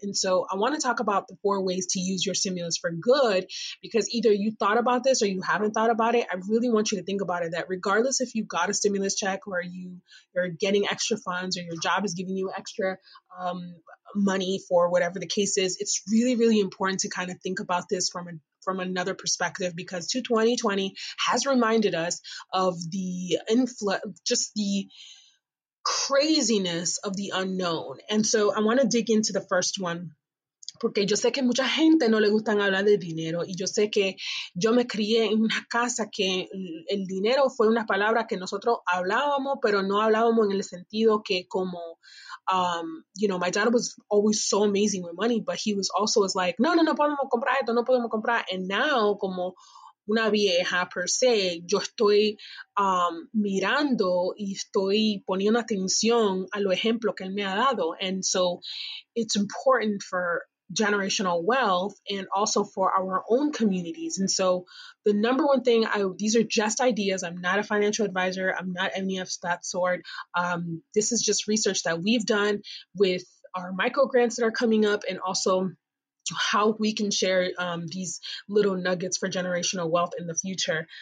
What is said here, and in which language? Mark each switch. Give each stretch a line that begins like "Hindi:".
English: And so I want to talk about the four ways to use your stimulus for good, because either you thought about this or you haven't thought about it. I really want you to think about it, that regardless if you got a stimulus check or you're getting extra funds or your job is giving you extra money for whatever the case is, it's really, really important to kind of think about this from another perspective, because 2020 has reminded us of the just the craziness of the unknown. And so I want to dig into the first one.
Spanish: Porque yo sé que mucha gente no le gustan hablar de dinero, y yo sé que yo me crié en una casa que el dinero fue una palabra que nosotros hablábamos, pero no hablábamos en el sentido que como,
English: you know, my dad was always so amazing with money, but he was also was like,
Spanish: no, no, no podemos comprar esto, no podemos comprar.
English: And now,
Spanish: como una vieja per se, yo estoy mirando y estoy poniendo atención a los ejemplos que él me ha dado.
English: And so it's important for generational wealth and also for our own communities. And so the number one thing, these are just ideas. I'm not a financial advisor. I'm not any of that sort. This is just research that we've done with our micro grants that are coming up, and also how we can share these little nuggets for generational wealth in the future.